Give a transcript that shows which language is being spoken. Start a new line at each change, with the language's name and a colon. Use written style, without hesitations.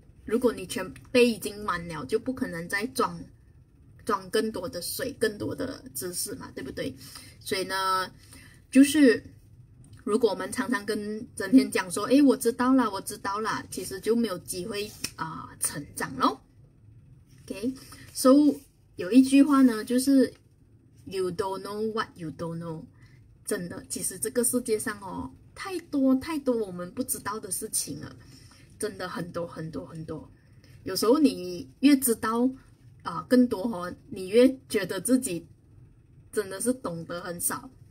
Chinese: 如果你全杯已经满了，就不可能再装更多的水、更多的知识嘛，对不对？所以呢，就是如果我们常常跟整天讲说，诶，我知道啦，我知道啦，其实就没有机会成长咯。
English: OK，so
Chinese: 有一句话呢，就是
English: You don't know what you don't know。
Chinese: 真的，其实这个世界上哦，太多太多我们不知道的事情了，真的很多很多很多。有时候你越知道更多哦，你越觉得自己真的是懂得很少。